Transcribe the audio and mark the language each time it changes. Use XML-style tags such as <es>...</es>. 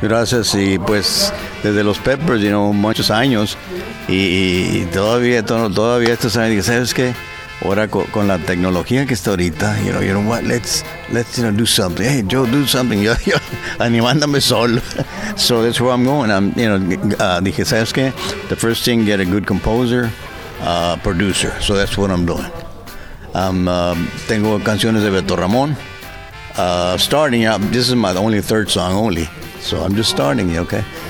<es>Gracias, y pues desde Los Peppers,</es> <en>you know,</en> <es>muchos años, y todavía estos años, y sabes que ahora con la tecnología que está ahorita,</es> <en>you know what, let's you know, do something.</en> <es>Hey, Joe, do something. Yo animándome solo.</es> <en>So that's where I'm going. I'm, you know,</en> <es>dije, ¿sabes qué?</es> <en>The first thing, get a good composer, producer. So that's what I'm doing.</en> <es>Tengo canciones de Beto Ramón.</es> <en>Starting, this is my only third song only. So I'm just starting, okay?</en>